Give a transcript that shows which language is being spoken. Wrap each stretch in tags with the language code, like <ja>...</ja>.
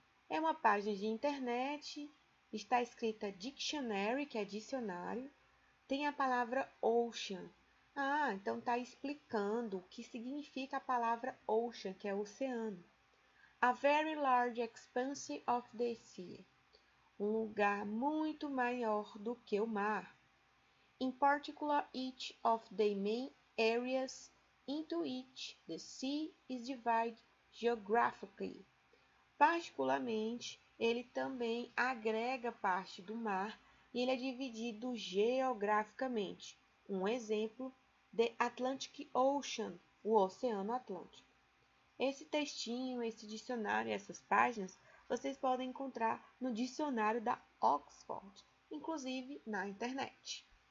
<pt>É uma página de internet, está escrita dictionary, que é dicionário, tem a palavra ocean. Ah, então está explicando o que significa a palavra ocean, que é oceano.</pt> <en>A very large expanse of the sea.</en> <pt>Um lugar muito maior do que o mar.</pt> <en>In particular, each of the main areas into which the sea is divided geographically.</en> <pt>Particularmente, ele também agrega parte do mar e ele é dividido geograficamente. Um exemplo,</pt> <en>the Atlantic Ocean,</en> <pt>o Oceano Atlântico. Esse textinho, esse dicionário e essas páginas, vocês podem encontrar no dicionário da Oxford, inclusive na internet.</pt>